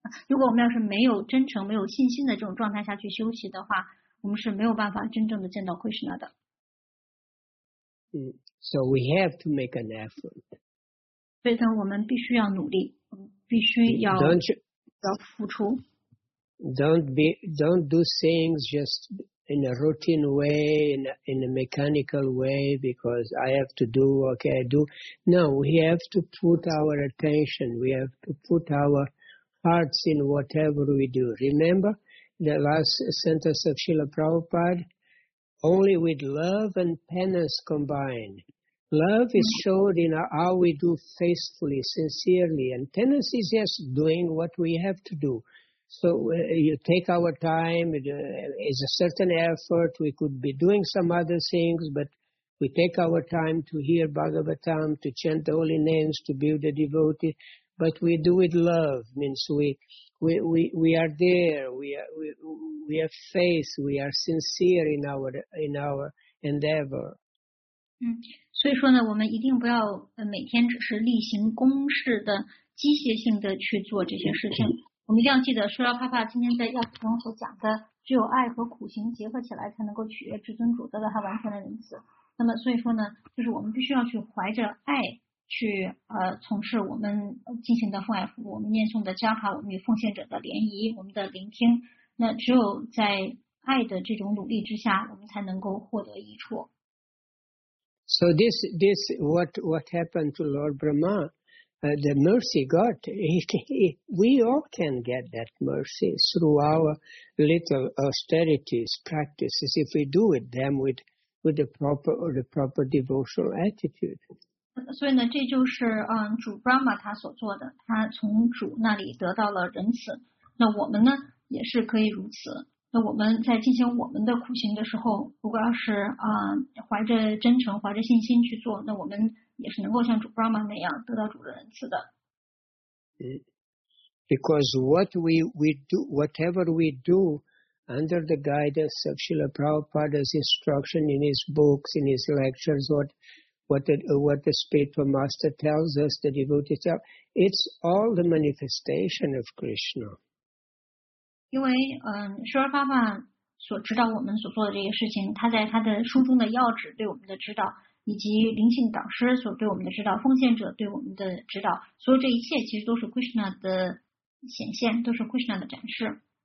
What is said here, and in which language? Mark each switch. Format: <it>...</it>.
<zh>如果我们要是没有真诚、没有信心的这种状态下去修习的话，我们是没有办法真正的见到 Krishna 的。</zh> <en>So we have to make an effort.</en> <zh>所以呢，我们必须要努力，必须要付出。</zh> <en>Don't do things just in a routine way, in a mechanical way, because I have to do, okay, I do. No, we have to put our attention, we have to put our hearts in whatever we do. Remember the last sentence of Srila Prabhupada? Only with love and penance combined. Love is showed in how we do faithfully, sincerely, and penance is just doing what we have to do. So you take our time, it's a certain effort, we could be doing some other things, but we take our time to hear Bhagavatam, to chant the holy names, to build a devotee, but we do with love, means we are there, we have faith, we are sincere in our endeavor.</en> <zh>所以说呢，我们一定不要每天只是例行公事的机械性的去做这些事情。我们一定要记得，说要帕帕今天在药师中所讲的，只有爱和苦行结合起来，才能够取悦至尊主，得到他完全的仁慈。那么所以说呢，就是我们必须要去怀着爱去从事我们进行的奉爱服务，我们念诵的加哈，我们与奉献者的联谊，我们的聆听。那只有在爱的这种努力之下，我们才能够获得益处。</zh> <en>So this what happened to Lord Brahma, the mercy God, we all can get that mercy through our little austerities, practices, if we do it them with the proper or the proper devotional attitude.</en> <zh>所以呢，这就是主 Brahma 他所做的，他从主那里得到了仁慈。那我们呢，也是可以如此。那我们在进行我们的苦行的时候，如果要是怀着真诚、怀着信心去做，那我们也是能够像主 Brahma 那样得到主的恩赐的。</zh> <en>Because what we do, whatever we do, under the guidance of Srila Prabhupada's instruction in his books, in his lectures, what the spiritual master tells us, the devotee tells, it's all the manifestation of Krishna.</en> <zh>因为舒尔巴巴所指导我们所做的这些事情，他在他的书中的要旨对我们的指导，以及灵性导师所对我们的指导，奉献者对我们的指导，所有这一切其实都是 Krishna 的显现，都是 Krishna 的展示。</zh>